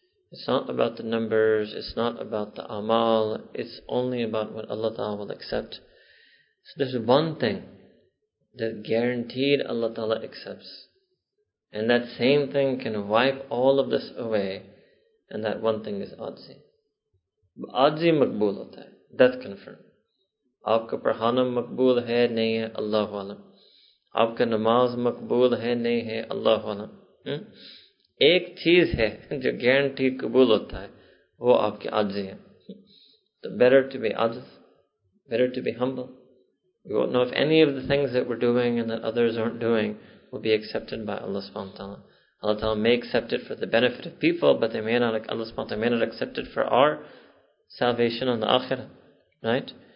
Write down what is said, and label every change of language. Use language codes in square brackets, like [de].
[en] It's not about the numbers, it's not about the amal, it's only about what Allah Ta'ala will accept. So there's one thing that guaranteed Allah Ta'ala accepts, and that same thing can wipe all of this away, and that one thing is ajzi. [ur] Ajzi maqbool hota hai, [en] that's confirmed. [ur] آپ کا پڑھانا مقبول ہے، نہیں ہے، اللہ اعلم. آپ کا نماز مقبول ہے، نہیں ہے، اللہ اعلم. ایک چیز ہے، جو guaranteed قبول ہوتا ہے، وہ آپ کی عاجزی ہے. [en] So better to be ajiz, better to be humble. We won't know if any of the things that we're doing and that others aren't doing will be accepted by Allah subhanahu wa ta'ala. Allah ta'ala may accept it for the benefit of people, but Allah subhanahu wa ta'ala may not accept it for our salvation on the akhirah, right?